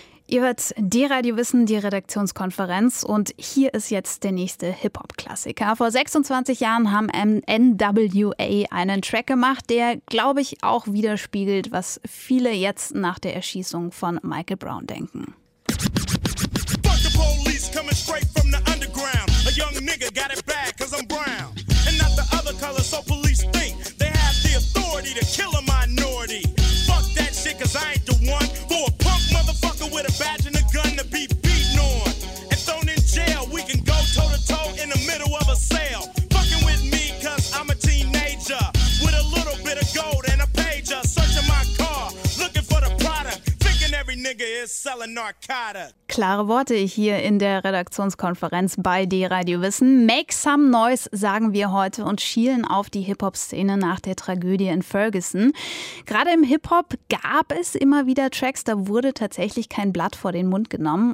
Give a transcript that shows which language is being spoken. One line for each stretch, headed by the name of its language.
German: Ihr hört D-Radio Wissen, die Redaktionskonferenz, und hier ist jetzt der nächste Hip-Hop-Klassiker. Vor 26 Jahren haben NWA einen Track gemacht, der, glaube ich, auch widerspiegelt, was viele jetzt nach der Erschießung von Michael Brown denken.
English: Fuck the police coming straight from the underground. A young nigga got it bad, cause I'm brown. And not the other color, so police think they have the authority to kill a minority. Fuck that shit, cause I ain't the one for a punk motherfucker. With a badge and a gun to be beaten on and thrown in jail. We can go toe to toe in the middle of a sale. Fucking with me, cause I'm a teenager with a little bit of gold and a pager. Searching my car, looking for the product. Thinking every nigga is selling narcotics.
German: Klare Worte hier in der Redaktionskonferenz bei D-Radio Wissen.
English: Make some noise,
German: sagen wir heute, und schielen auf die Hip-Hop-Szene nach der Tragödie in Ferguson. Gerade im Hip-Hop gab es immer wieder Tracks, da wurde tatsächlich kein Blatt vor den Mund genommen.